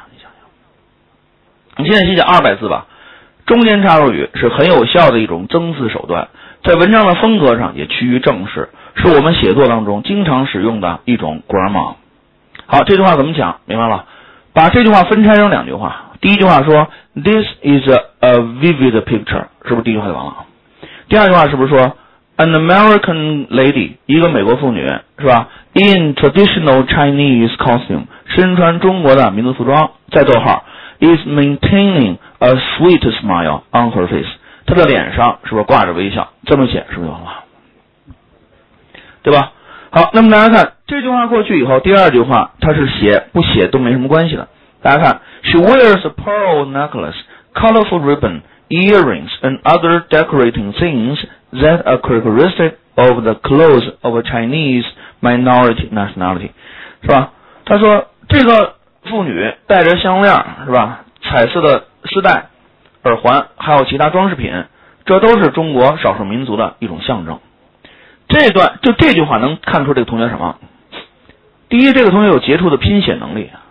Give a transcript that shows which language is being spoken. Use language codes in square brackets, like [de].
[zh] 你想想，你现在写200字吧，中间插入语是很有效的一种增字手段，在文章的风格上也趋于正式，是我们写作当中经常使用的一种 grammar。好，这句话怎么讲？明白了，把这句话分拆成两句话。第一句话说 [en] This is a vivid picture， [zh] 是不是第一句话就完了？第二句话是不是说 [en] An American lady， [zh] 一个美国妇女，是吧？ [en] In traditional Chinese costume， [zh] 身穿中国的民族服装，再逗号， [en] Is maintaining a sweet smile on her face， [zh] 她的脸上是不是挂着微笑？这么写是不是就完了，对吧？好，那么大家看这句话过去以后，第二句话它是写不写都没什么关系的。大家看 [en] She wears a pearl necklace, colorful ribbon, earrings and other decorating things that are characteristic of the clothes of a Chinese minority nationality， [zh] 是吧？他说这个妇女带着项链，是吧？彩色的丝带、耳环还有其他装饰品，这都是中国少数民族的一种象征。这段就这句话能看出这个同学什么？第一，这个同学有杰出的拼写能力。